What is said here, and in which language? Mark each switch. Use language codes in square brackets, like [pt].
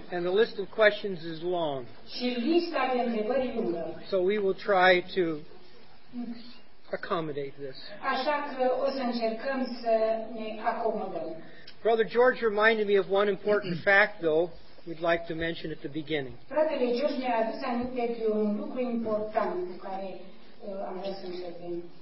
[en] And the list of questions is long. [ro] Și lista de întrebări lungă. [en] So we will try to accommodate this. [ro] Așa că o să încercăm să ne acomodăm. [en] Brother George reminded me of one important fact, though, we'd like to mention at the beginning. [ro] Fratele George ne-a adus aminte de un lucru important cu care am vrut să începem.